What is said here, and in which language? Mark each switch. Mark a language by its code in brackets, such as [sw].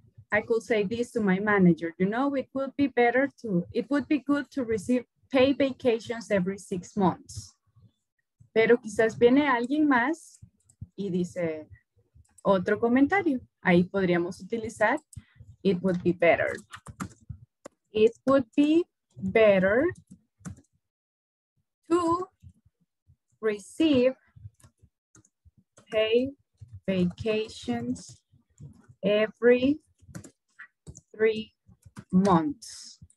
[en] I could say this to my manager, you know, it would be good to receive pay vacations every 6 months. [es] Pero quizás viene alguien más y dice otro comentario. Ahí podríamos utilizar, [en] it would be better. It would be better to receive pay vacations every 3 months.